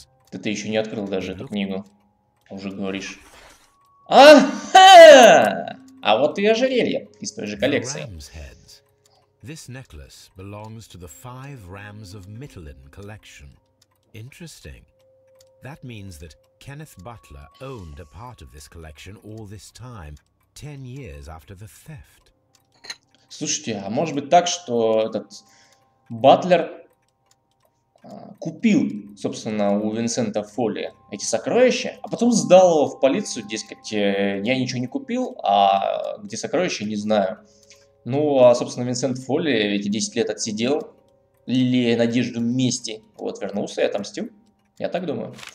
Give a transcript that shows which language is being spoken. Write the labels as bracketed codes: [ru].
[ru] Да ты еще не открыл даже эту книгу. Уже говоришь. А-ха! А вот и ожерелье из той же коллекции. [en] This necklace belongs to the five rams of Mytilene collection. Interesting. That means that Kenneth Butler owned a part of this collection all this time, 10 years after the theft. [ru] Слушайте, а может быть так, что этот Батлер купил, собственно, у Винсента Фолли эти сокровища, а потом сдал его в полицию, дескать, я ничего не купил, а где сокровища, не знаю. Ну, а, собственно, Винсент Фолли эти 10 лет отсидел, лелея надежду мести, вот, вернулся и отомстил. Я так думаю.